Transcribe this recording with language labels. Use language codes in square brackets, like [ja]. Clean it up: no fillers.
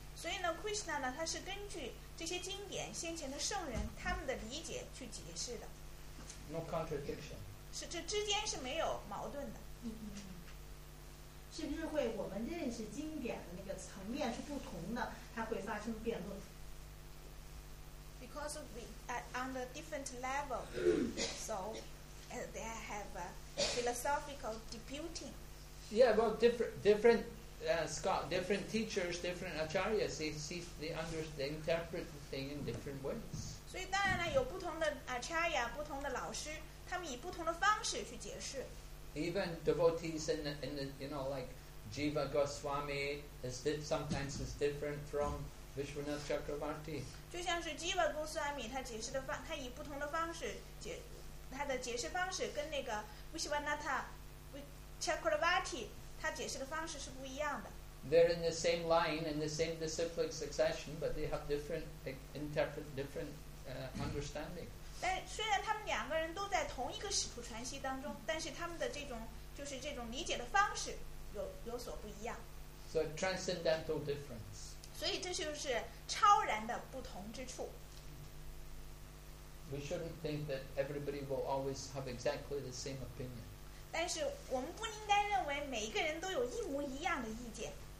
[zh] 所以呢 Krishna 呢他是根据这些经典先前的圣人他们的理解去解释的。 [en] No contradiction. [zh] 是这之间是没有矛盾的。是不是会我们认识经典的那个层面是不同的，它会发生辩论 [en] ？Because we on the different level, so they have philosophical disputing. Yeah, well, different teachers, different acharyas, they interpret the thing in different ways. [zh] 所以当然了，有不同的 acharya, 不同的老师，他们以不同的方式去解释。 [en] Even devotees in the you know, like Jiva Goswami sometimes is different from Vishwanath Chakravarti. [zh] 就像是 Jiva Goswami 他解释的方，他以不同的方式解，他的解释方式跟那个 Vishwanath Chakravarti 他解释的方式是不一样的。 [en] They're in the same line in the same disciplic succession, but they have different understanding. [zh] 但虽然他们两个人都在同一个使徒传习当中，但是他们的这种就是这种理解的方式有所不一样。 [en] So transcendental difference. [zh] 所以这就是超然的不同之处。 [en] We shouldn't think that everybody will always have exactly the same opinion. [zh] 但是我们不应该认为每一个人都有一模一样的意见。